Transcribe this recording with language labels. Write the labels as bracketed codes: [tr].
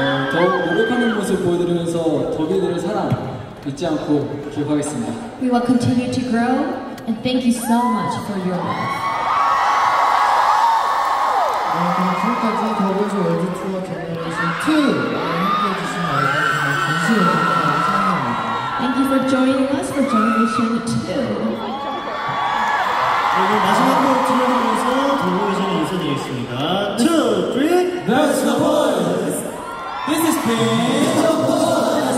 [ko] 더욱 노력하는 모습 보여드리면서 더비들을 사랑 잊지 않고 기억하겠습니다. [en] We will continue to grow and thank you so much for your love. [ko] 지금까지 더비즈 월드 투어 제너레이션 2 함께해 주신 여러분 정말 감사합니다. [en] Thank you for joining us for Generation 2. [ko] 그리고 마지막으로 들려드리면서 더비즈는 인사드리겠습니다. 2, 3, [en] That's the point! This is Pitch of Boyz!